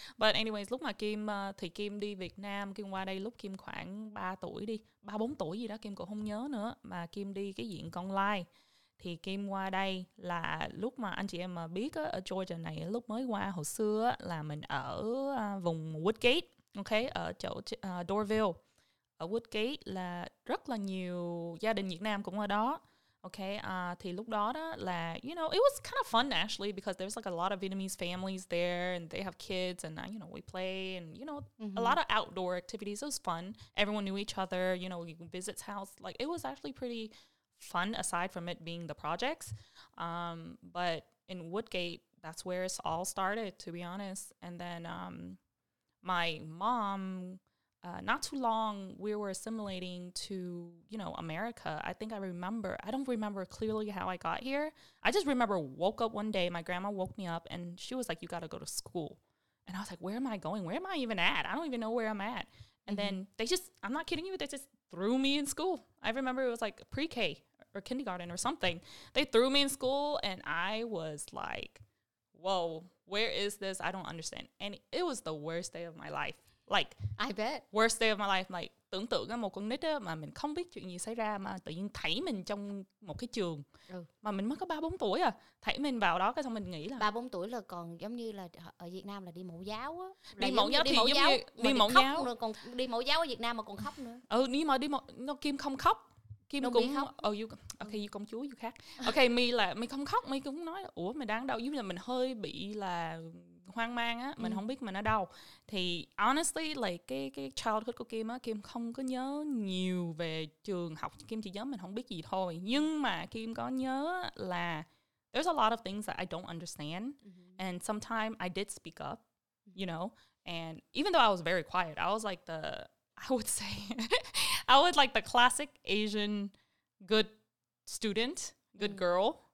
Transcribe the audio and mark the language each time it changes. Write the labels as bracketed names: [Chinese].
[English] But anyways, [Vietnamese] lúc mà Kim thì Kim đi Việt Nam, Kim qua đây lúc Kim khoảng 3 tuổi đi, 3 4 tuổi gì đó Kim cũng không nhớ nữa, mà Kim đi cái diện con lai. Thì Kim qua đây là lúc mà anh chị em mà biết ở Georgia này lúc mới qua hồi xưa là mình ở vùng Woodgate, okay, ở chỗ Dorville. Ở Woodgate là rất là nhiều gia đình Việt Nam cũng ở đó. [English] Okay, [Vietnamese] thì lúc đó đó là, [English] you know, it was kind of fun actually because there's like a lot of Vietnamese families there and they have kids and, you know, we play and, you know, mm-hmm. a lot of outdoor activities. It was fun. Everyone knew each other, you know, you can visit house. Like, it was actually pretty fun aside from it being the projects. But in Woodgate, that's where it all started, to be honest. And then my mom... not too long, we were assimilating to, you know, America. I don't remember clearly how I got here. I just remember woke up one day, my grandma woke me up, and she was like, you got to go to school. And I was like, where am I going? Where am I even at? I don't even know where I'm at. And mm-hmm. then they just, I'm not kidding you, they just threw me in school. I remember it was like pre-K or kindergarten or something. They threw me in school, and I was like, whoa, where is this? I don't understand. And it was the worst day of my life. Like, I bet. Worst day of my life. [Vietnamese] Like, tưởng tượng một con nít mà mình không biết chuyện gì xảy ra mà tự nhiên thấy mình trong một cái trường mà mình mới có 3-4 tuổi à. Thấy mình vào đó cái xong mình nghĩ là 3-4 tuổi là còn giống như là ở Việt Nam là đi mẫu giáo á. Đi mẫu giáo thì giống như đi mẫu giáo rồi còn đi mẫu giáo ở Việt Nam mà còn khóc nữa. Ừ, nhưng mà đi mẫu Kim không khóc. Kim đồng cũng you công chúa you khác. Okay, mi là mi không khóc, mi cũng nói là ủa mày đang đâu, giống như là mình hơi bị là hoang mang á, mình không biết mình ở đâu. Thì [English] honestly, like [Vietnamese] cái childhood của Kim á, Kim không có nhớ nhiều về trường học, Kim chỉ nhớ mình không biết gì thôi. Nhưng mà Kim có nhớ là [English] there's a lot of things that I don't understand. Mm-hmm. And sometimes I did speak up, you know. And even though I was very quiet, I was like the, I would say, I was like the classic Asian good student, good girl.